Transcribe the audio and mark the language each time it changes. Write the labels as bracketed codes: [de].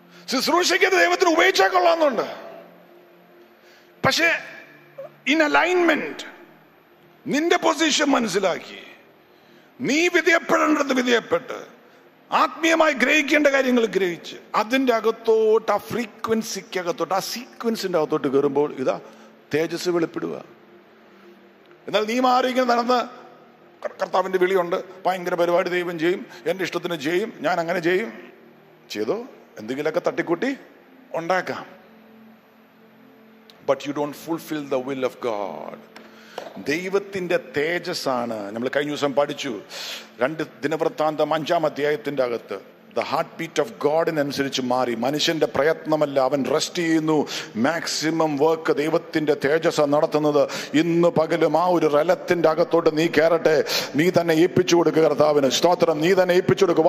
[ml] ശുശ്രൂഷിക്കുന്ന ദൈവത്തിന് ഉപയോഗിച്ചാൽ കൊള്ളാന്നുണ്ട്. പക്ഷേ [en] in alignment, [ml] നിന്റെ പൊസിഷൻ മനസ്സിലാക്കി, നീ വിധേയപ്പെടേണ്ടത് വിധേയപ്പെട്ട്, ആത്മീയമായി ഗ്രഹിക്കേണ്ട കാര്യങ്ങൾ ഗ്രഹിച്ച് അതിൻ്റെ അകത്തോട്ട് ആ ഫ്രീക്വൻസിക്ക് അകത്തോട്ട് ആ സീക്വൻസിൻ്റെ അകത്തോട്ട് കയറുമ്പോൾ ഇതാ തേജസ് വെളിപ്പെടുക. എന്നാൽ നീ മാറിയെങ്കിൽ നടന്ന് കർത്താവിൻ്റെ വിളിയുണ്ട്, ഭയങ്കര പരിപാടി ദൈവം ചെയ്യും, എൻ്റെ ഇഷ്ടത്തിന് ചെയ്യും, ഞാൻ അങ്ങനെ ചെയ്യും, ചെയ്തോ, എന്തെങ്കിലുമൊക്കെ തട്ടിക്കൂട്ടി ഉണ്ടാക്കാം. [en] But you don't fulfill the will of God. [ml] ദൈവത്തിന്റെ തേജസ് ആണ്. നമ്മൾ കഴിഞ്ഞ ദിവസം പഠിച്ചു രണ്ട് ദിനവൃത്താന്തം അഞ്ചാം അധ്യായത്തിന്റെ അകത്ത്, [en] the heartbeat of God [ml] അനുസരിച്ച് മാറി. മനുഷ്യന്റെ പ്രയത്നമല്ല, അവൻ റെസ്റ്റ് ചെയ്യുന്നു. മാക്സിമം വർക്ക് ദൈവത്തിന്റെ തേജസ് നടത്തുന്നത്. ഇന്ന് പകലും ആ ഒരു റലത്തിന്റെ അകത്തോട്ട് നീ കയറട്ടെ. നീ തന്നെ ഏൽപ്പിച്ചു കൊടുക്കുക കർത്താവിന്. സ്തോത്രം. നീ തന്നെ ഏൽപ്പിച്ചു കൊടുക്കുക.